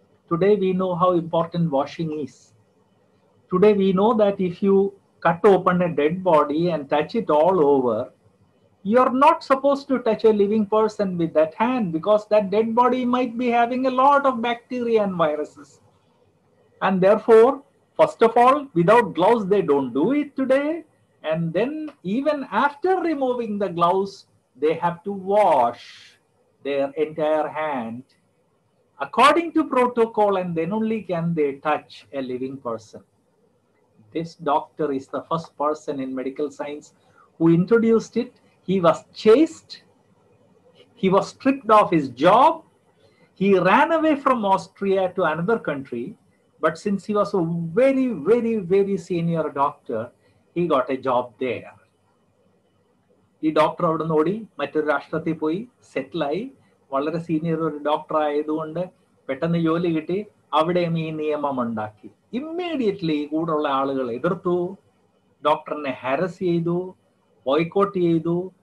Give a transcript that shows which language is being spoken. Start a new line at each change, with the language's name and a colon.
English: Today we know how important washing is. Today we know that if you cut open a dead body and touch it all over, you are not suppose to touch a living person with that hand because that dead body might be having a lot of bacteria and viruses. And therefore, first of all, without gloves, they don't do it today. And then even after removing the gloves, they have to wash their entire hand according to protocol, and then only can they touch a living person. This doctor is the first person in medical science who introduced it. He was chased. He was stripped of his job. He ran away from Austria to another country. But since he was a very, very, very senior doctor, he got a job there.
Malayalam: ഈ doctor അവിടെ നിന്ന് ഓടി മറ്റൊരു രാഷ്ട്രത്തിൽ പോയി സെറ്റിലായി. വളരെ senior ഒരു doctor ആയതുകൊണ്ട് പെട്ടെന്ന് ജോലി കിട്ടി. അവിടെയും ഈ നിയമം ഉണ്ടാക്കി. ഇമ്മീഡിയറ്റ്ലി കൂടെ ഉള്ള ആളുകൾ എതിർത്തു, ഡോക്ടറിനെ ഹാരസ് ചെയ്തു, ബോയ്കോട്ട് ചെയ്തു.